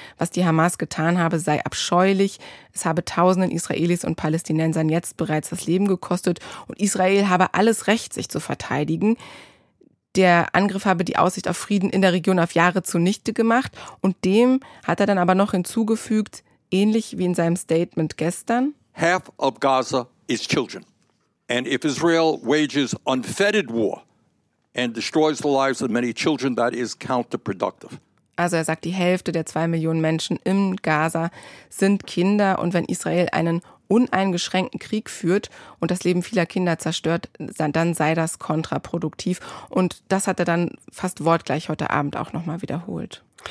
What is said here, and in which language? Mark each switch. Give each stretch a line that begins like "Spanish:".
German: Was die Hamas getan habe, sei abscheulich. Es habe tausenden Israelis und Palästinensern jetzt bereits das Leben gekostet und Israel habe alles Recht, sich zu verteidigen. Der Angriff habe die Aussicht auf Frieden in der Region auf Jahre zunichte gemacht und dem hat er dann aber noch hinzugefügt, ähnlich wie in seinem Statement gestern.
English: Half of Gaza is children. And if Israel wages unfettered war and destroys the lives of many children, that is counterproductive.
German: Also er sagt, die Hälfte der 2 Millionen Menschen in Gaza sind Kinder und wenn Israel einen uneingeschränkten Krieg führt und das Leben vieler Kinder zerstört, dann sei das kontraproduktiv. Und das hat er dann fast wortgleich heute Abend auch nochmal wiederholt.